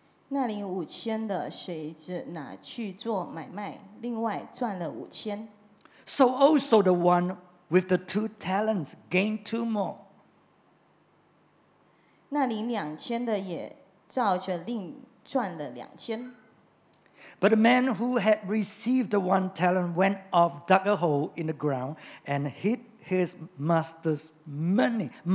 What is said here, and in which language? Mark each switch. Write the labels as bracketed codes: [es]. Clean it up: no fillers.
[zh] 那领五千的谁只拿去做买卖，另外赚了五千。 [en] So also the one with the 2 talents gained 2 more. [zh] 那领两千的也照着另赚了两千。 [en] But the man who had received the 1 talent went off, dug a hole in the ground, and hid his master's money.